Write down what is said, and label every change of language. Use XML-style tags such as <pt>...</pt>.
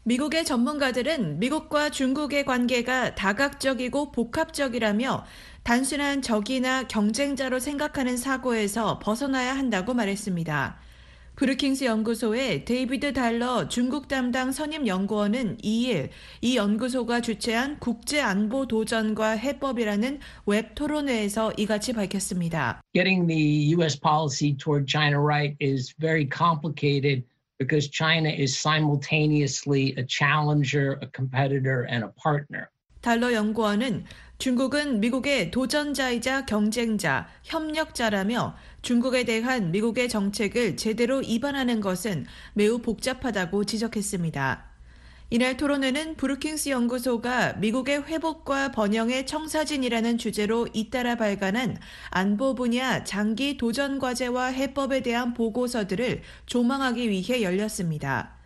<ko>미국의 전문가들은 미국과 중국의 관계가 다각적이고 복합적이라며 단순한 적이나 경쟁자로 생각하는 사고에서 벗어나야 한다고 말했습니다. 브루킹스 연구소의 데이비드 달러 중국 담당 선임 연구원은 2일 이 연구소가 주최한 국제 안보 도전과 해법이라는 웹 토론회에서 이같이 밝혔습니다.</ko> <en>Getting the US policy toward China right is very complicated because China is simultaneously a challenger, a competitor and a partner.</en> <ko>달러 연구원은 중국은 미국의 도전자이자 경쟁자, 협력자라며 중국에 대한 미국의 정책을 제대로 입안하는 것은 매우 복잡하다고 지적했습니다. 이날 토론회는 브루킹스 연구소가 미국의 회복과 번영의 청사진이라는 주제로 잇따라 발간한 안보 분야 장기 도전 과제와 해법에 대한 보고서들을 조망하기 위해 열렸습니다.</ko>